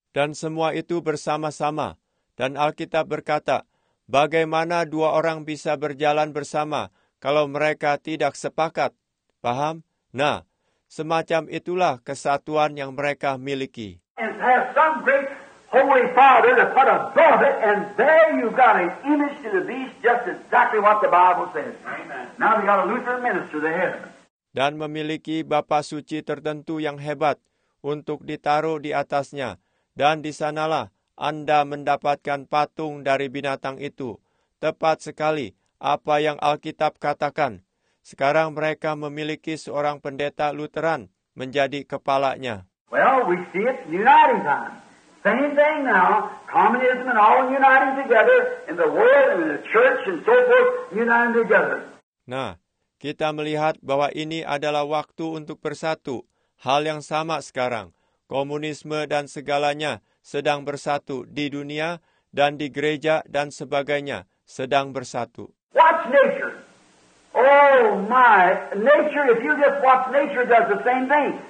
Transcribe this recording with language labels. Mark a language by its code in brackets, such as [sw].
[id] Dan semua itu bersama-sama. Dan Alkitab berkata, bagaimana dua orang bisa berjalan bersama kalau mereka tidak sepakat? Paham? Nah, semacam itulah kesatuan yang mereka miliki. [en] And have some great holy father to put above it, and there you've got an image to the beast, just exactly what the Bible says. Amen. Now you've got a Lutheran minister there. [id] Dan memiliki bapa suci tertentu yang hebat untuk ditaruh di atasnya. Dan di sanalah Anda mendapatkan patung dari binatang itu. Tepat sekali apa yang Alkitab katakan. Sekarang mereka memiliki seorang pendeta Lutheran menjadi kepalanya. [en] Well, we see it in the uniting time. Same thing now, communism and all uniting together in the world and the church and so forth, uniting together. [id] Nah, kita melihat bahwa ini adalah waktu untuk bersatu. Hal yang sama sekarang, komunisme dan segalanya sedang bersatu di dunia dan di gereja dan sebagainya sedang bersatu. [en] Watch nature. Oh my, nature, if you just watch nature, does the same thing.